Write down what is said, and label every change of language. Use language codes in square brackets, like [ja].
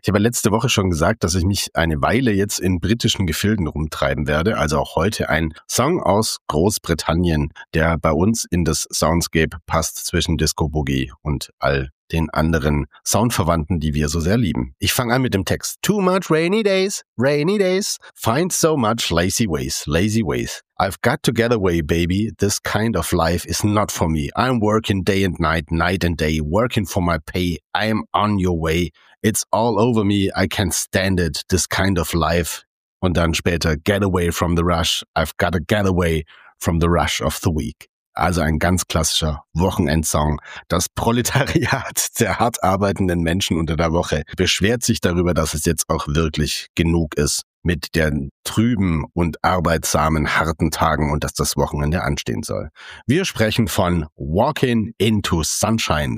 [de] Ich habe letzte Woche schon gesagt, dass ich mich eine Weile jetzt in britischen Gefilden rumtreiben werde. Also auch heute ein Song aus Großbritannien, der bei uns in das Soundscape passt zwischen Disco Boogie und all den anderen Soundverwandten, die wir so sehr lieben. Ich fange an mit dem Text. [en] Too much rainy days, find so much lazy ways, lazy ways. I've got to get away, baby. This kind of life is not for me. I'm working day and night, night and day, working for my pay. I'm on your way. It's all over me. I can't stand it. This kind of life. [de] Und dann später, [en] get away from the rush. I've got to get away from the rush of the week. [de] Also ein ganz klassischer Wochenendsong. Das Proletariat der hart arbeitenden Menschen unter der Woche beschwert sich darüber, dass es jetzt auch wirklich genug ist mit den trüben und arbeitsamen harten Tagen und dass das Wochenende anstehen soll. Wir sprechen von Walking into Sunshine.